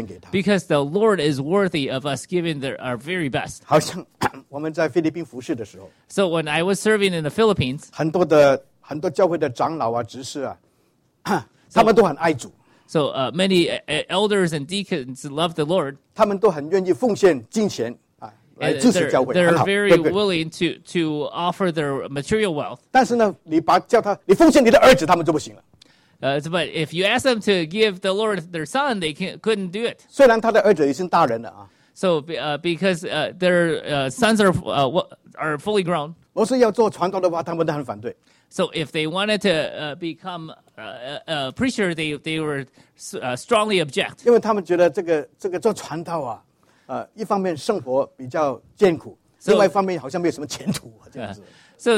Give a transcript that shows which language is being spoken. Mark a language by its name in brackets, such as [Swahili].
[English] Because the Lord is worthy of us giving our very best. [Chinese] 好像我们在菲律宾服事的时候, [English] so when I was serving in the Philippines, [Chinese] 很多教会的长老啊、执事啊, 他们都很爱主。 [English] So many elders and deacons love the Lord. [Chinese] 他们都很愿意奉献金钱。 [English] And they're very willing to offer their material wealth. [Chinese] 但是呢，你把叫他，你奉献你的儿子，他们就不行了。 [English] But if you ask them to give the Lord their son, they couldn't do it. [Chinese] 虽然他的儿子已经大人了啊。So [English] because their sons are fully grown. [Chinese] 若是要做传道的话，他们都很反对。So [English] if they wanted to become a preacher, they were strongly object. [Chinese] 因为他们觉得这个做传道啊。一方面生活比较艰苦，另外一方面好像没有什么前途啊，这样子。So